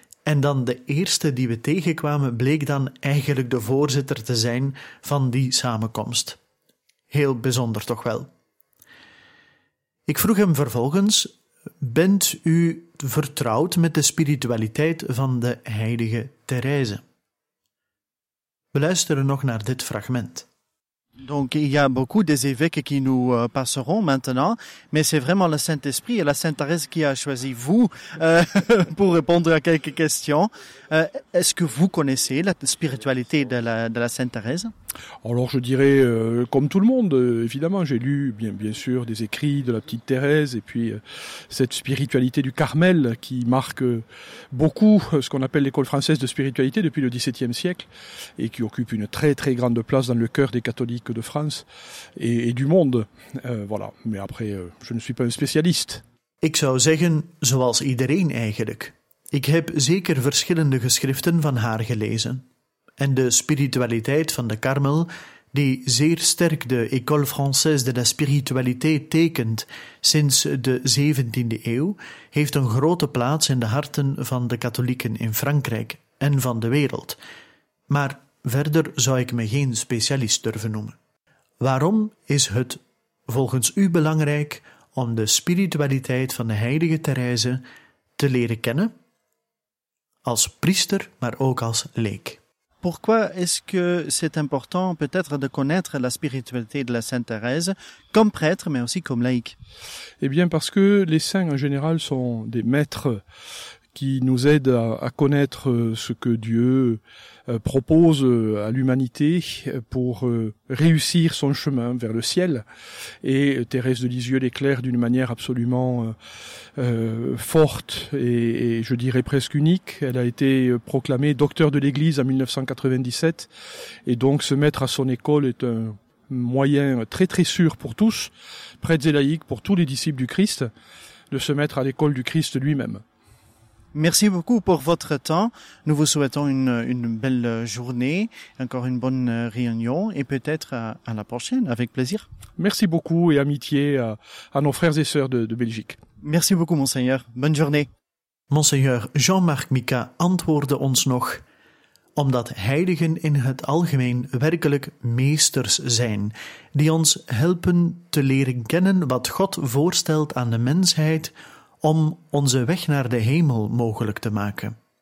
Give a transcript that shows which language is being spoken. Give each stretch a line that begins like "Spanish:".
Dutch: En dan de eerste die we tegenkwamen bleek dan eigenlijk de voorzitter te zijn van die samenkomst. Heel bijzonder toch wel. Ik vroeg hem vervolgens: bent u vertrouwd met de spiritualiteit van de heilige Therese? We luisteren nog naar dit fragment.
French: Donc il y a beaucoup des évêques qui nous passeront maintenant, mais c'est vraiment le Saint-Esprit et la Sainte Thérèse qui a choisi vous pour répondre à quelques questions. Est-ce que vous connaissez la spiritualité de la Sainte Thérèse? Alors je dirais comme tout le monde, évidemment, j'ai lu bien sûr des écrits de la petite Thérèse et puis cette spiritualité du Carmel qui marque beaucoup ce qu'on appelle l'école française de spiritualité depuis le XVIIe siècle et qui occupe une très très grande place dans le cœur des catholiques de France et du monde. Voilà, mais après je ne suis pas un spécialiste.
Dutch: Ik zou zeggen zoals iedereen eigenlijk. Ik heb zeker verschillende geschriften van haar gelezen. En de spiritualiteit van de Carmel, die zeer sterk de École Française de la Spiritualité tekent sinds de 17e eeuw, heeft een grote plaats in de harten van de katholieken in Frankrijk en van de wereld. Maar verder zou ik me geen specialist durven noemen. Waarom is het volgens u belangrijk om de spiritualiteit van de heilige Therese te leren kennen? Als priester, maar ook als leek.
French: Pourquoi est-ce que c'est important peut-être de connaître la spiritualité de la Sainte Thérèse comme prêtre mais aussi comme laïc? Eh bien parce que les saints en général sont des maîtres qui nous aident à connaître ce que Dieu propose à l'humanité pour réussir son chemin vers le ciel. Et Thérèse de Lisieux l'éclaire d'une manière absolument forte et je dirais presque unique. Elle a été proclamée docteur de l'Église en 1997. Et donc se mettre à son école est un moyen très très sûr pour tous, prêtres et laïcs, pour tous les disciples du Christ, de se mettre à l'école du Christ lui-même. Merci beaucoup pour votre temps. Nous vous souhaitons une belle journée, encore une bonne réunion et peut-être à la prochaine, avec plaisir. Merci beaucoup et amitié à nos frères et sœurs de Belgique. Merci beaucoup, Monseigneur. Bonne journée.
Dutch: Monseigneur Jean-Marc Mika antwoordde ons nog: omdat heiligen in het algemeen werkelijk meesters zijn, die ons helpen te leren kennen wat God voorstelt aan de mensheid om onze weg naar de hemel mogelijk te maken.